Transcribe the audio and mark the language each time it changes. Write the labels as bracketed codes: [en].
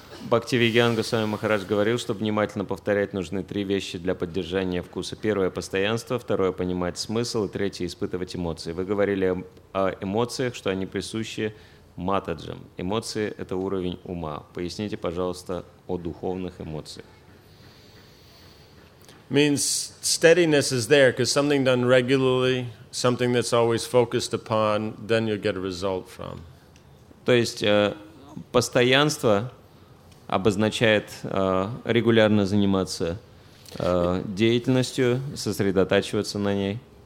[ru] Бхактивиньян Госвами Махарадж говорил, что внимательно повторять нужны три вещи для поддержания вкуса. Первое – постоянство, второе – понимать смысл, и третье – испытывать эмоции. Вы говорили о эмоциях, что они присущи матаджам. Эмоции – это уровень ума. Поясните, пожалуйста, о духовных эмоциях. [en] Means steadiness is there, because something done regularly, something that's always focused upon, then you'll get a result from. [ru] То есть постоянство обозначает регулярно заниматься деятельностью, сосредотачиваться на ней.